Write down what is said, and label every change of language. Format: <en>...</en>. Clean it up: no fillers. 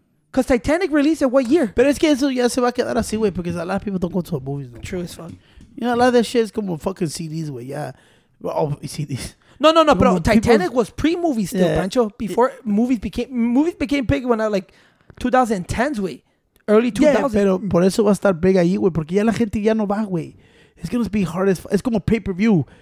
<en>Because Titanic released in what year?</en> <es>Pero es que eso ya se va a quedar así, güey,</es> <en>because a lot of people don't go to the movies.</en> <es>No.</es> <en>True as fuck. You know, a lot of that shit is como fucking CDs, güey, yeah. Oh, CDs. No, pero Titanic was pre-movie still, yeah. Pancho. Before movies became big when I like 2010s, güey. Early 2000s.</en> <es>Yeah, pero por eso va a estar</es> <en>big</en> <es>ahí, güey, porque ya la gente ya no va, güey.</es> <en>It's going to be hard as fuck. It's como pay-per-view.</en>